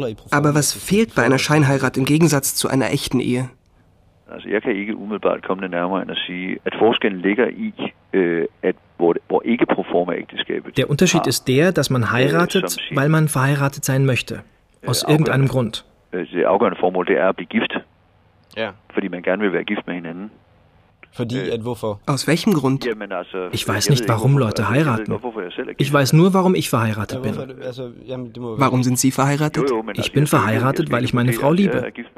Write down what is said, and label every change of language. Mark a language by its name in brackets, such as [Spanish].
[German] Aber was fehlt bei einer Scheinheirat im Gegensatz zu einer echten Ehe? [Danish] Also jeg kan ikke umiddelbart komme det nærmere end at sige, at forskellen ligger i, at hvor ikke pro forma ægteskabet. [German] Der Unterschied ist der, dass man heiratet, weil man verheiratet sein möchte, aus irgendeinem Grund. [Danish] Det afgørende formål, det er at blive gift. Ja. Fordi man gerne vil være gift med hinanden. Fordi at hvorfor? [German] Aus welchem Grund? Ich weiß nicht, warum Leute heiraten. Ich weiß nur, warum ich verheiratet bin. Warum sind Sie verheiratet? Ich bin verheiratet, weil ich meine Frau liebe.